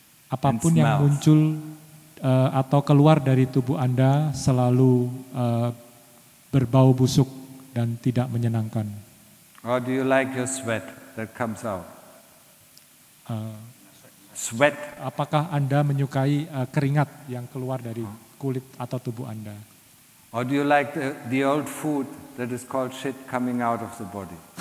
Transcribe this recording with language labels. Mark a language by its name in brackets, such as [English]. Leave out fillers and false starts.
[Indonesian] apapun yang muncul atau keluar dari tubuh Anda selalu berbau busuk dan tidak menyenangkan. [English] Or do you like your sweat that comes out? Sweat. [Indonesian] Apakah Anda menyukai keringat yang keluar dari kulit atau tubuh Anda? [English] Or do you like the old food that is called shit coming out of the body?